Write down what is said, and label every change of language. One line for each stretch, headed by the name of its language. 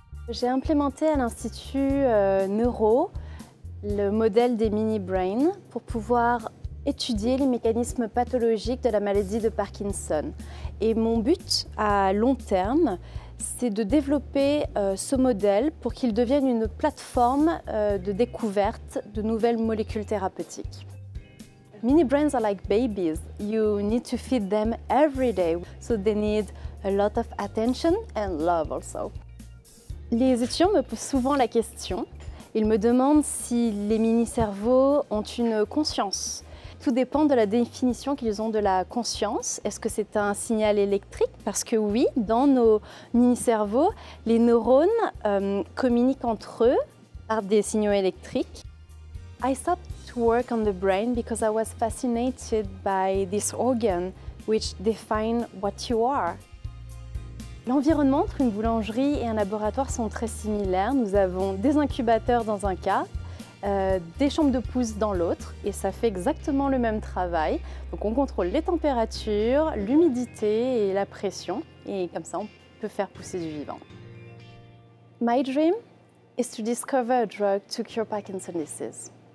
French: J'ai implémenté à l'Institut Neuro le modèle des mini-brains pour pouvoir étudier les mécanismes pathologiques de la maladie de Parkinson. Et mon but à long terme, c'est de développer ce modèle pour qu'il devienne une plateforme de découverte de nouvelles molécules thérapeutiques.
English: Mini brains are like babies. You need to feed them every day. So they need a lot of attention and love also.
French: Les étudiants me posent souvent la question. Ils me demandent si les mini-cerveaux ont une conscience. Tout dépend de la définition qu'ils ont de la conscience. Est-ce que c'est un signal électrique? Parce que oui, dans nos mini-cerveaux, les neurones communiquent entre eux par des signaux électriques.
English: I stopped to work on the brain because I was fascinated by this organ which defines what you are.
French: L'environnement entre une boulangerie et un laboratoire sont très similaires. Nous avons des incubateurs dans un cas, des chambres de pousse dans l'autre, et ça fait exactement le même travail. Donc on contrôle les températures, l'humidité et la pression, et comme ça on peut faire pousser du vivant.
English: My dream is to discover a drug to cure Parkinson's disease.